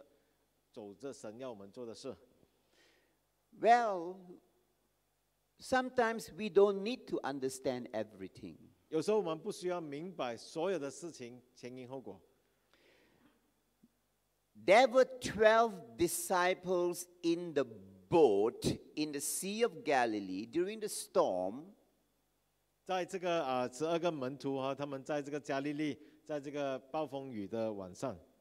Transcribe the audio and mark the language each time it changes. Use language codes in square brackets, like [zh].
[zh] 所以当时有时候我们做了一些比较出乎人意外的事情的时候，人会问，但是我们还是走着神要我们做的事。 [en] Well, sometimes we don't need to understand everything. [zh] 有时候我们不需要明白所有的事情前因后果。 [en] There were 12 disciples in the boat in the Sea of Galilee during the storm. [zh] 在这个12个门徒，他们在这个加利利，在这个暴风雨的晚上。